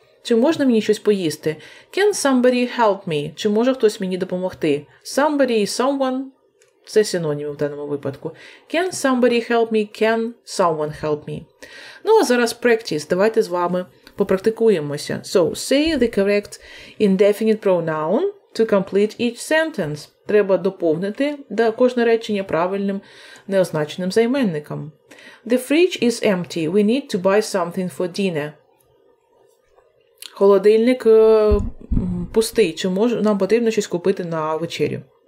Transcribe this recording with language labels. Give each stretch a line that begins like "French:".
Ukrainian: Чи можна мені щось поїсти?
English: Can somebody help me?
Ukrainian: Чи може хтось мені допомогти?
English: Somebody, someone
Ukrainian: – це синоніми в даному випадку.
English: Can somebody help me? Can someone help me?
Ukrainian: Ну, а зараз
English: practice.
Ukrainian: Давайте з вами попрактикуємося.
English: So, say the correct indefinite pronoun to complete each sentence.
Ukrainian: Треба доповнити кожне речення правильним неозначеним займенником.
English: The fridge is empty. We need to buy something for dinner.
Ukrainian: Холодильник пустий. Чи може нам потрібно щось купити на вечерю?